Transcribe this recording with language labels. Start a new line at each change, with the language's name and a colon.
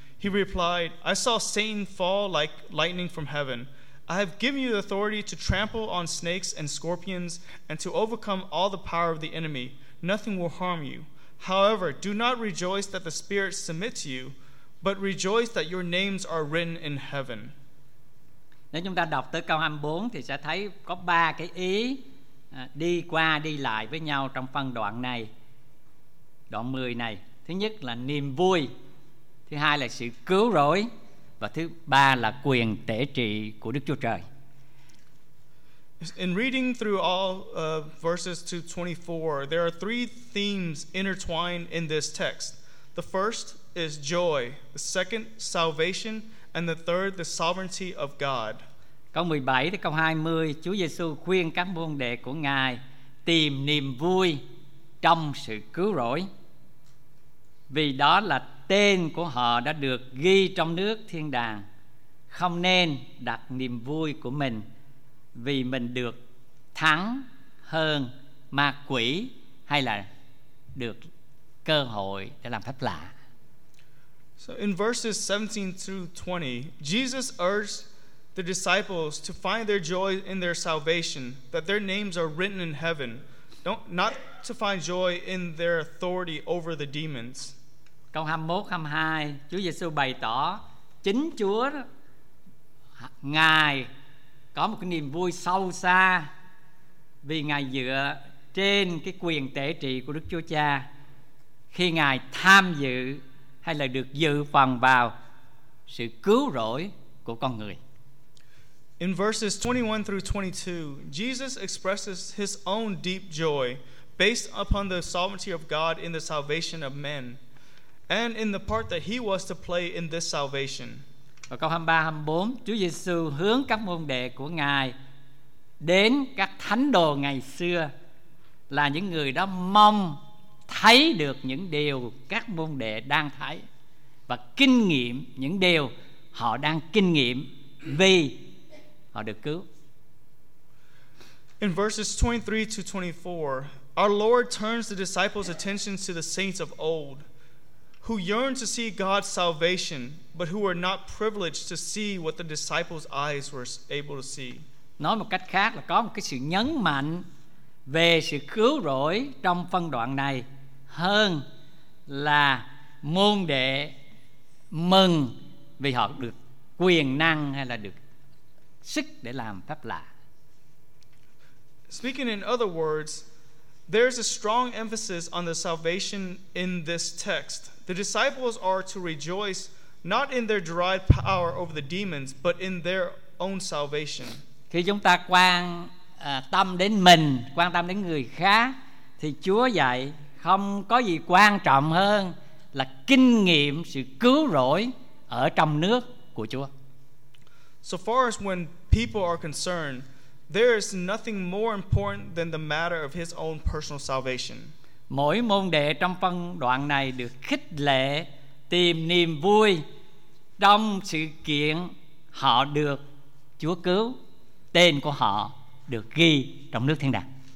English: He replied, I saw Satan fall like lightning from heaven. I have given you the authority to trample on snakes and scorpions and to overcome all the power of the enemy. Nothing will harm you. However, do not rejoice that the spirits submit to you, but rejoice that your names are written in heaven.
Vietnamese: Nếu chúng ta đọc tới câu 24 thì sẽ thấy có ba cái ý đi qua đi lại với nhau trong phân đoạn này, đoạn 10 này. Thứ nhất là niềm vui, thứ hai là sự cứu rỗi, và thứ ba là quyền tể trị của Đức Chúa Trời.
English: In reading through all verses to 24, there are three themes intertwined in this text. The first is joy, the second salvation, and the third the sovereignty of God.
Vietnamese: Câu 17 tới câu 20, Chúa Giêsu khuyên các môn đệ của Ngài tìm niềm vui trong sự cứu rỗi, vì đó là tên của họ đã được ghi trong nước thiên đàng, không nên đặt niềm vui của mình vì mình được thắng hơn ma quỷ hay là được cơ hội để làm phép lạ.
English: So in verses 17 through 20, Jesus urged the disciples to find their joy in their salvation, that their names are written in heaven, not to find joy in their authority over the demons.
Vietnamese: Câu 21-22, Chúa Giêsu bày tỏ chính Chúa Ngài có một cái niềm vui sâu xa vì Ngài dựa trên cái quyền tể trị của Đức Chúa Cha khi Ngài tham dự hay là được dự phần vào sự cứu rỗi của con người.
English: In verses 21 through 22, Jesus expresses his own deep joy based upon the sovereignty of God in the salvation of men and in the part that he was to play in this salvation.
Vietnamese: Và câu 23-24, Chúa Giêsu hướng các môn đệ của Ngài đến các thánh đồ ngày xưa, là những người đã mong thấy được những điều các môn đệ đang thấy và kinh nghiệm những điều họ đang kinh nghiệm vì họ được cứu.
English: In verses 23-24, our Lord turns the disciples' attention to the saints of old, who yearned to see God's salvation, but who were not privileged to see what the disciples' eyes were able to see.
Vietnamese: Nói một cách khác là có một cái sự nhấn mạnh về sự cứu rỗi trong phân đoạn này hơn là môn đệ mừng vì họ được quyền năng hay là được sức để làm phép lạ.
English: Speaking in other words, there's a strong emphasis on the salvation in this text. The disciples are to rejoice not in their derived power over the demons, but in their own salvation.
Vietnamese: Khi chúng ta quan tâm đến mình, quan tâm đến người khác, thì Chúa dạy không có gì quan trọng hơn là kinh nghiệm sự cứu rỗi ở trong nước của Chúa.
English: So far as when people are concerned, there is nothing more important than the matter of his own personal salvation.
Vietnamese: Mỗi môn đệ trong phân đoạn này được khích lệ tìm niềm vui trong sự kiện họ được Chúa cứu, tên của họ được ghi trong nước thiên đàng.